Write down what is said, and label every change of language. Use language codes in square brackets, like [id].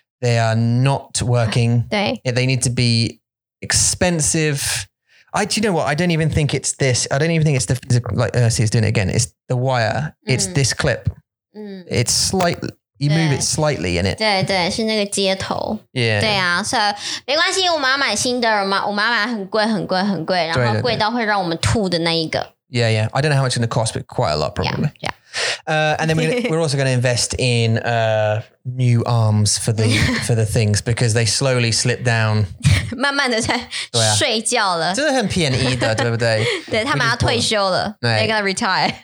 [en] They are not working. They need to be expensive. Do you know what? I don't even think it's this. I don't even think it's the physical, like Ursie is doing it again. It's the wire. It's this clip. It's slightly, you move it slightly in it. [zh] 对,是那个接头. [en] Yeah. [zh] 对啊,所以没关系,我们要买新的,我们要买很贵,很贵,很贵, 然后贵到会让我们吐的那一个. [en] Yeah. I don't know how much it's going to cost, but quite a lot probably. Yeah. And then we're also going to invest in new arms for the things because they slowly slip down. [zh] 慢慢的在睡觉了，真的很便宜的，对不对？对他们要退休了， [en] they're gonna retire.